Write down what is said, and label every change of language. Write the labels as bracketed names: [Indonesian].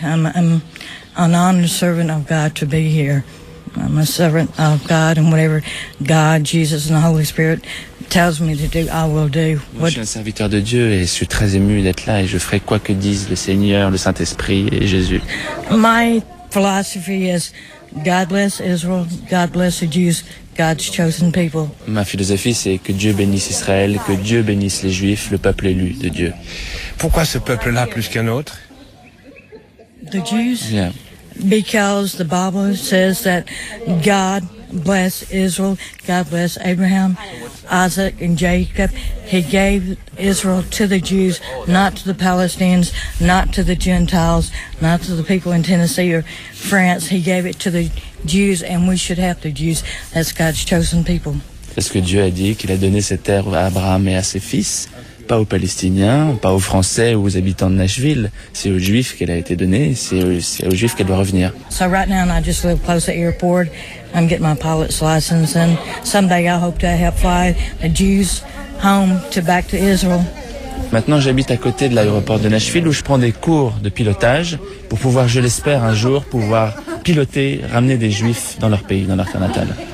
[English] I'm an honored servant of God to be here. I'm a servant of God, and whatever God, Jesus, and the Holy Spirit tells me to do, I will do. [French] Moi, je suis un serviteur de Dieu et je suis très ému d'être là et je ferai quoi que disent le Seigneur, le Saint-Esprit et Jésus. [English] My philosophy is God bless Israel, God bless the Jews, God's chosen people. [French] Ma philosophie, c'est que Dieu bénisse Israël, que Dieu bénisse les Juifs, le peuple élu de Dieu. Pourquoi ce peuple-là plus qu'un autre? [English] The Jews? Yeah. Because the Bible says that God bless Israel, God bless Abraham, Isaac, and Jacob. He gave Israel to the Jews, not to the Palestinians, not to the Gentiles, not to the people in Tennessee or France. He gave it to the Jews, and we should have the Jews. That's God's chosen people. [French] Parce que Dieu a dit qu'il a donné cette terre à Abraham et à ses fils, pas aux Palestiniens, pas aux Français ou aux habitants de Nashville. C'est aux Juifs qu'elle a été donnée, c'est aux Juifs qu'elle doit revenir. [English] So right now, I just live close to the airport. I'm getting my pilot's license, and someday I hope to help fly the Jews home to back to Israel. [French] Maintenant, j'habite à côté de l'aéroport de Nashville où je prends des cours de pilotage pour pouvoir, je l'espère, un jour pouvoir piloter, ramener des Juifs dans leur pays, dans leur terre natale.